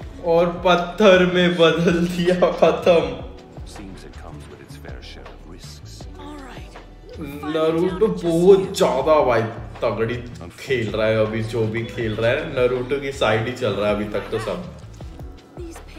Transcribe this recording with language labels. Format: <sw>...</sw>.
<hi>और पत्थर में बदल दिया खत्म.</hi> <en>Seems it comes with its fair share of risks. All right.</en> <hi>Naruto बहुत ज्यादा भाई तगड़ी खेल रहा है अभी. जो भी खेल रहा है Naruto की साइड ही चल रहा है अभी तक तो सब.</hi>